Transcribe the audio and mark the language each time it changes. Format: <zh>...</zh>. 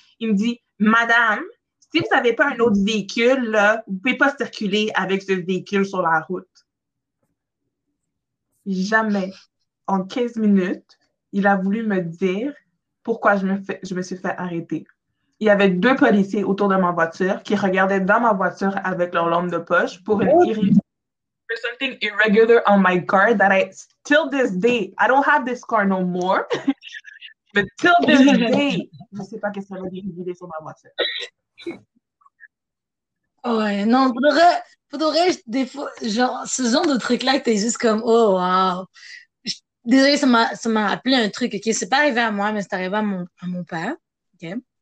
<fr>Il me dit, Madame, si vous n'avez pas un autre véhicule, là, vous ne pouvez pas circuler avec ce véhicule sur la route. Jamais. En 15 minutes, il a voulu me dire pourquoi je me suis fait arrêter. Il y avait deux policiers autour de ma voiture qui regardaient dans ma voiture avec leur lampe de poche pour une irrégularité.</fr> <en>Something irregular on my car that I till this day I don't have this car no more. But till this day,</en> <fr>je sais pas qu'est-ce que ça veut dire sur ma voiture. Ouais, non, faudrait des fois, genre, ce genre de truc-là que t'es juste comme, oh, wow. Désolée, ça m'a rappelé un truc, ok? C'est pas arrivé à moi, mais c'est arrivé à mon père, ok?</fr>